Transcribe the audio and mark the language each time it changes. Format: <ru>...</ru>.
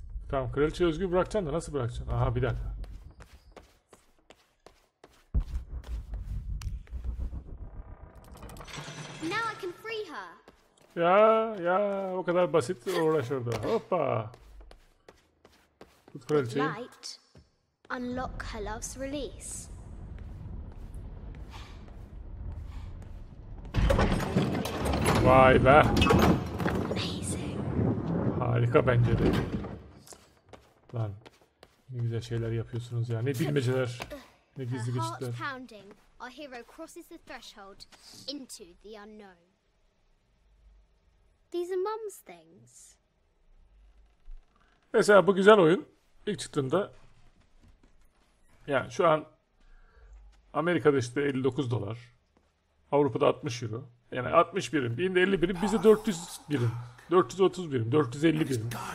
<tr>Tamam, kraliçeyi özgür bırakacaksın da nasıl bırakacaksın? Aha bir dakika.</tr> <en>Now I can free her.</en> <tr>Ya ya o kadar basit uğraşırdı. Hoppa. Tut kraliçeyi.</tr> <en>Light. Unlock her love's release.</en> <tr>Vay be.</tr> <en>Amazing.</en> <tr>Harika bence de. Lan ne güzel şeyler yapıyorsunuz ya. Ne bilmeceler. Ne gizli geçitler.</tr> <en>Pounding, our hero crosses the threshold into the unknown. These are mum's things.</en> <tr>Mesela bu güzel oyun ilk çıktığında yani şu an Amerika'da işte $59. Avrupa'da €60. Yani 60 birim, 1051 birim, bize 400 birim, 430 birim, 450 birim.</tr>